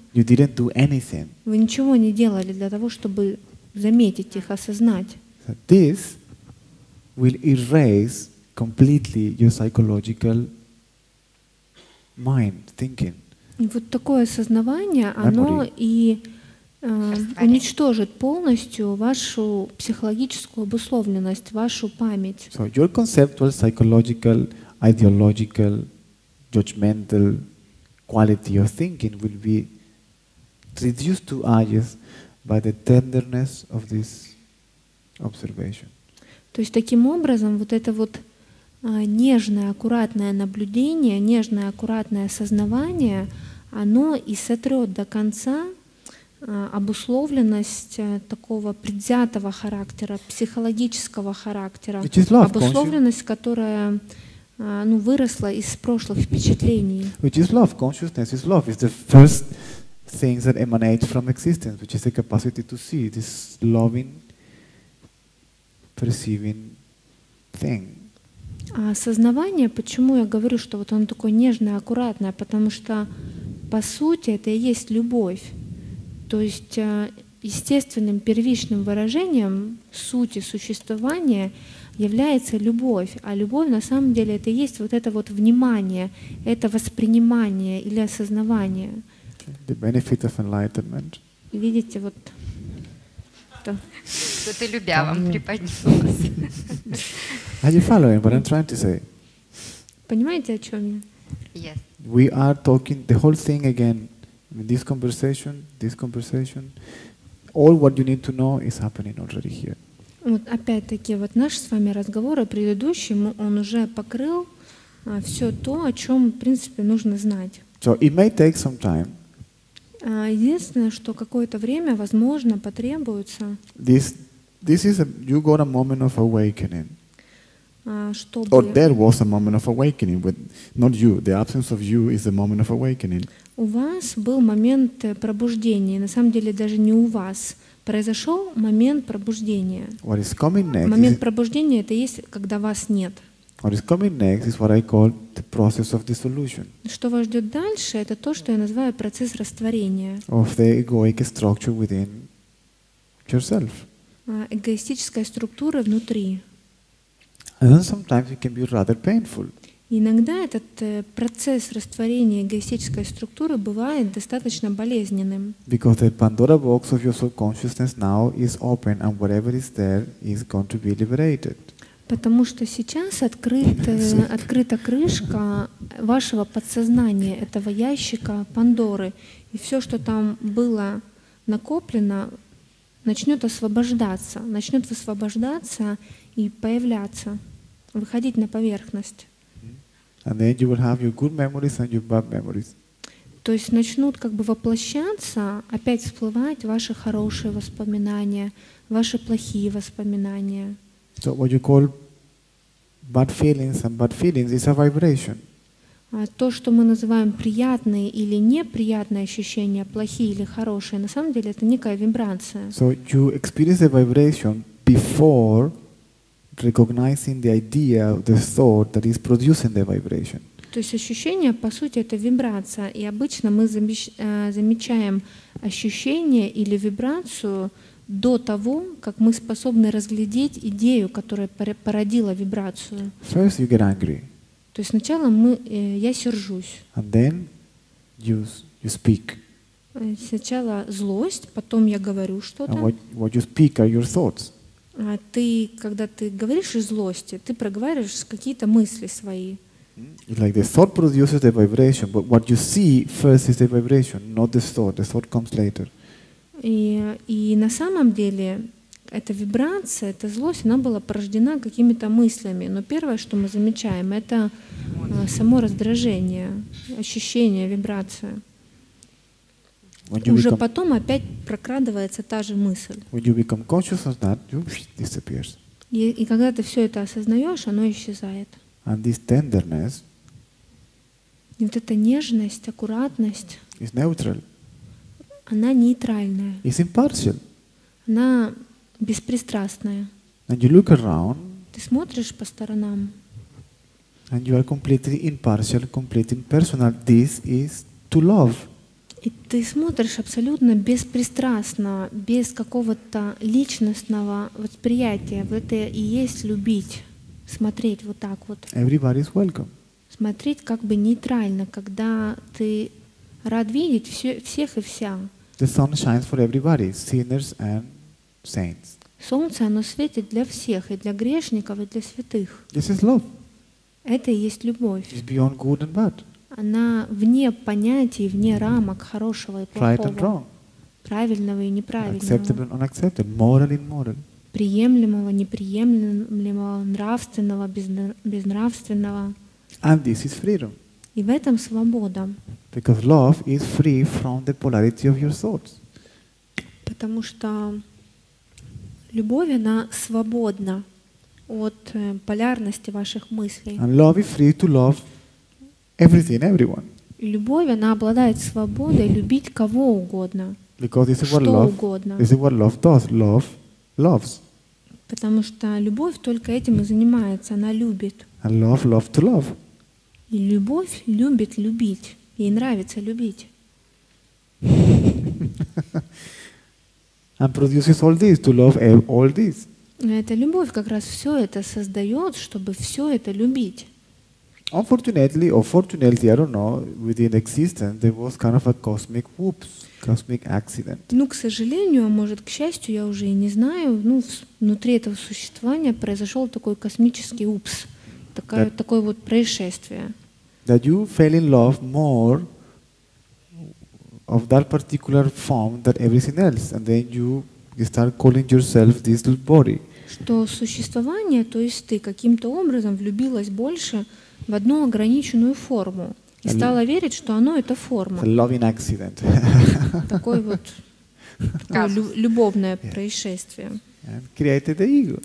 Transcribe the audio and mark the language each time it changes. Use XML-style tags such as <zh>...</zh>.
<en>You didn't do anything.</en> <ru>Вы ничего не делали для того, чтобы заметить их, осознать.</ru> <en>So this will erase completely your psychological mind thinking.</en> <ru>И вот такое осознавание, оно и уничтожит полностью вашу психологическую обусловленность, вашу память.</ru> <en>So your conceptual, psychological, ideological, judgmental quality of thinking will be reduced to ashes by the tenderness of this observation.</en> <ru>То есть таким образом вот это вот нежное, аккуратное наблюдение, нежное, аккуратное осознавание, оно и сотрет до конца обусловленность такого предвзятого характера, психологического характера, обусловленность, которая выросла из прошлых впечатлений.</ru> <en>Which is love, consciousness is love. It's the first things that emanate from existence, which is the capacity to see this loving, perceiving thing.</en> <ru>А осознавание, почему я говорю, что вот оно такое нежное, аккуратное, потому что по сути это и есть любовь. То есть естественным первичным выражением сути существования является любовь. А любовь на самом деле это и есть вот это вот внимание, это воспринимание или осознавание.</ru> <en>The benefit of enlightenment.</en> <ru>Видите, вот то. Что-то любя вам преподнес.</ru> <en>Are you following what I'm trying to say?</en> <ru>Понимаете, о чем я?</ru> <en>Yes. We are talking the whole thing again. This conversation. All what you need to know is happening already here.</en> <ru>Вот опять-таки, вот наш с вами разговор, о предыдущем, он уже покрыл все то, о чем, в принципе, нужно знать.</ru> <en>So it may take some time.</en> <ru>Единственное, что какое-то время, возможно, потребуется.</ru> <en>You got a moment of awakening.</en> <ru>Чтобы.</ru> <en>Or there was a moment of awakening, but not you. The absence of you is the moment of awakening.</en> <ru>У вас был момент пробуждения. На самом деле, даже не у вас произошел момент пробуждения.</ru> <en>What is coming next?</en> <ru>Момент пробуждения это есть, когда вас нет.</ru> <en>What is coming next is what I call the process of dissolution.</en> <ru>Что вас ждет дальше, это то, что я называю процесс растворения.</ru> <en>Of the egoic structure within yourself.</en> <ru>Эгоистическая структура внутри.</ru> <en>And then sometimes it can be rather painful.</en> <ru>Иногда этот процесс растворения эгоистической структуры бывает достаточно болезненным.</ru> <en>Because the Pandora box of your subconsciousness now is open and whatever is there is going to be liberated.</en> <ru>Потому что сейчас открыта крышка вашего подсознания, этого ящика Пандоры. И все, что там было накоплено, начнет освобождаться, начнет высвобождаться и появляться, выходить на поверхность. То есть начнут как бы воплощаться, опять всплывать ваши хорошие воспоминания, ваши плохие воспоминания.</ru> <en>So what you call bad feelings and bad feelings is a vibration.</en> <ru>то, что мы называем приятные или неприятные ощущения, плохие или хорошие, на самом деле это некая вибрация.</ru> <en>So you experience the vibration before recognizing the idea, the thought that is producing the vibration.</en> <ru>То есть ощущение, по сути, это вибрация, и обычно мы замечаем ощущение или вибрацию до того, как мы способны разглядеть идею, которая породила вибрацию.</ru> <en>First you get angry.</en> <ru>То есть сначала я сержусь.</ru> <en>And then you speak.</en> <ru>Сначала злость, потом я говорю что-то.</ru> <en>And what you speak are your thoughts.</en> <ru>А ты, когда ты говоришь из злости, ты проговариваешь какие-то мысли свои.</ru> <en>Like the thought produces the vibration, but what you see first is the vibration, not the thought. The thought comes later.</en> <ru>И на самом деле эта вибрация, эта злость, она была порождена какими-то мыслями. Но первое, что мы замечаем, это само раздражение, ощущение, вибрация. Уже потом опять прокрадывается та же мысль.</ru> <en>When you become conscious of that, you disappears.</en> <ru>И когда ты все это осознаешь, оно исчезает.</ru> <en>And this tenderness.</en> <ru>И вот эта нежность, аккуратность.</ru> <en>Is neutral.</en> <ru>Она нейтральная.</ru> <en>Is impartial.</en> <ru>Она беспристрастная.</ru> <en>And you look around.</en> <ru>Ты смотришь по сторонам.</ru> <en>And you are completely impartial, completely impersonal. This is to love.</en> <ru>И ты смотришь абсолютно беспристрастно, без какого-то личностного восприятия. Вот это и есть любить, смотреть вот так вот.</ru> <en>Everybody's welcome.</en> <ru>Смотреть как бы нейтрально, когда ты рад видеть всех и вся.</ru> <en>The sun shines for everybody, sinners and saints.</en> <ru>Солнце, оно светит для всех, и для грешников, и для святых.</ru> <en>This is love.</en> <ru>Это и есть любовь.</ru> <en>It's beyond good and bad.</en> <ru>Она вне понятий, вне рамок хорошего и плохого.</ru> <en>Right and wrong.</en> <ru>Правильного и неправильного.</ru> <en>Acceptable and unaccepted. Moral and immoral.</en> <ru>Приемлемого, неприемлемого, нравственного, безнравственного.</ru> <en>And this is freedom.</en> <ru>И в этом свобода.</ru> <en>Because love is free from the polarity of your thoughts.</en> <ru>Потому что любовь, она свободна от полярности ваших мыслей.</ru> <en>And love is free to love everything, everyone.</en> <ru>Любовь, она обладает свободой любить кого угодно.</ru> <en>Because this is what</en> <ru>угодно.</ru> <en>This is what love does. Love loves.</en> <ru>Потому что любовь только этим и занимается, она любит. And love love to love. И любовь любит любить. Ей нравится любить. And produces all this to love all this. Эта любовь как раз все это создает, чтобы все это любить.</ru> <en>Unfortunately, or fortunately, I don't know, within existence, there was kind of a cosmic whoops, cosmic accident.</en> <ru>Ну, к сожалению, а может, к счастью, я уже и не знаю, ну, внутри этого существования произошел такой космический упс, такое вот происшествие.</ru> <en>That you fell in love more of that particular form than everything else, and then you start calling yourself this body.</en> <ru>Что существование, то есть ты каким-то образом влюбилась больше в одну ограниченную форму и стала верить, что оно — это форма.</ru> <en>It's a loving accident.</en> <ru>Такое вот любовное yeah. происшествие.</ru> <en>And created the ego.</en>